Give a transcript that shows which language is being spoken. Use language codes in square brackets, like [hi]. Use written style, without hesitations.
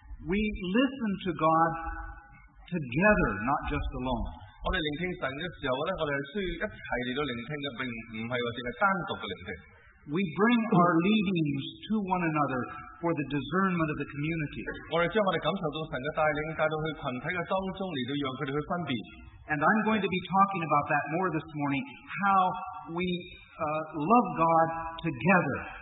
[en] We listen to God together, not just alone. [yue] 我哋聆听神嘅时候咧，我哋系需要一齐嚟到聆听嘅，并唔系话净系单独嘅聆听。 [en] We bring our leadings to one another for the discernment of the community. [yue] 我哋将我哋感受到神嘅带领带到去群体嘅当中嚟到让佢哋去分辨。 [en] And I'm going to be talking about that more this morning, how we love God together.